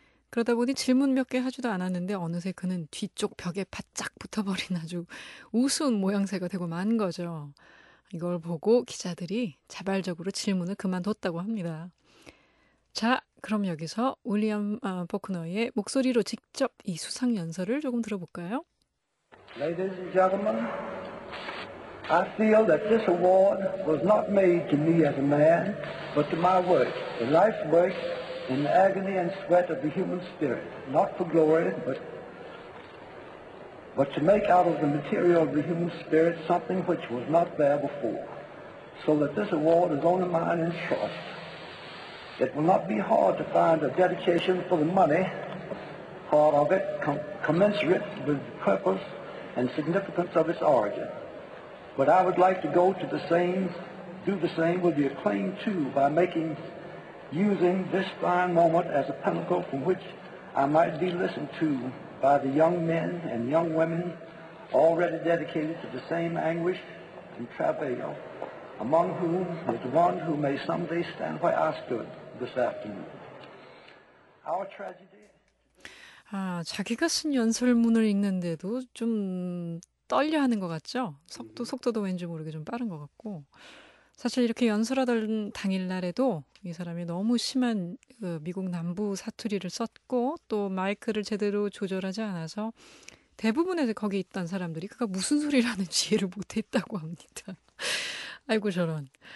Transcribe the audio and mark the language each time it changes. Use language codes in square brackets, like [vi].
[ko] 그러다 보니 질문 몇 개 하지도 않았는데 어느새 그는 뒤쪽 벽에 바짝 붙어버린 아주 우스운 모양새가 되고 만 거죠. 이걸 보고 기자들이 자발적으로 질문을 그만뒀다고 합니다. 자, 그럼 여기서 윌리엄 포크너의 목소리로 직접 이 수상 연설을 조금 들어볼까요? [en] Ladies and gentlemen, I feel that this award was not made to me as a man, but to my work, the life's work in the agony and sweat of the human spirit, not for glory, but to make out of the material of the human spirit something which was not there before, so that this award is only mine in trust. It will not be hard to find a dedication for the money part of it commensurate with the purpose and significance of its origin. But I would like to go to the same do the same with the acclaimed too by making using this fine moment as a pinnacle from which I might be listened to by the young men and young women already dedicated to the same anguish and travail, among whom is one who may someday stand where I stood this afternoon. Our tragedy. [ko] 아, 자기가 쓴 연설문을 읽는데도 좀 떨려하는 것 같죠? 속도도 왠지 모르게 좀 빠른 것 같고. 사실 이렇게 연설하던 당일날에도 이 사람이 너무 심한 그 미국 남부 사투리를 썼고 또 마이크를 제대로 조절하지 않아서 대부분의 거기 있던 사람들이 그가 무슨 소리를 하는지 이해를 못했다고 합니다. 아이고 저런.